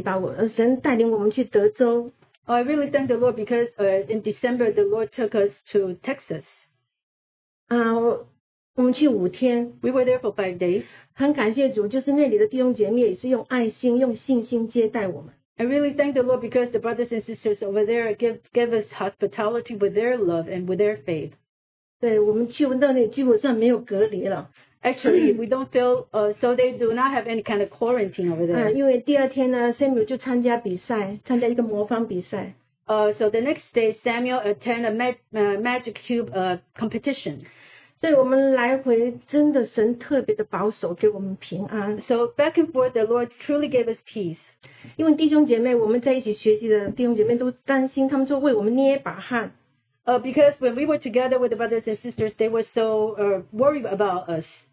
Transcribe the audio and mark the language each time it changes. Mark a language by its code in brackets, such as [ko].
[zh] 对，第一个感恩的就是，十二月份底吧，神带领我们去德州。 [en] I really thank the Lord because in December the Lord took us to Texas. [zh] 我们去五天。 [en] We were there for 5 days. [zh] 很感谢主，就是那里的弟兄姐妹也是用爱心、用信心接待我们。 [en] I really thank the Lord because the brothers and sisters over there give us hospitality with their love and with their faith. [zh] 对，我们去到那里基本上没有隔离了。 [en] Actually, we don't feel so they do not have any kind of quarantine over there. [zh] 因为第二天呢，Samuel就参加比赛，参加一个魔方比赛。 [en] So the next day, Samuel attended a magic cube competition. [zh] 所以我们来回真的神特别的保守，给我们平安。 [en] So back and forth, the Lord truly gave us peace. [zh] 因为弟兄姐妹，我们在一起学习的弟兄姐妹都担心，他们就为我们捏把汗。 [en] Because when we were together with the brothers and sisters, they were so worried about us.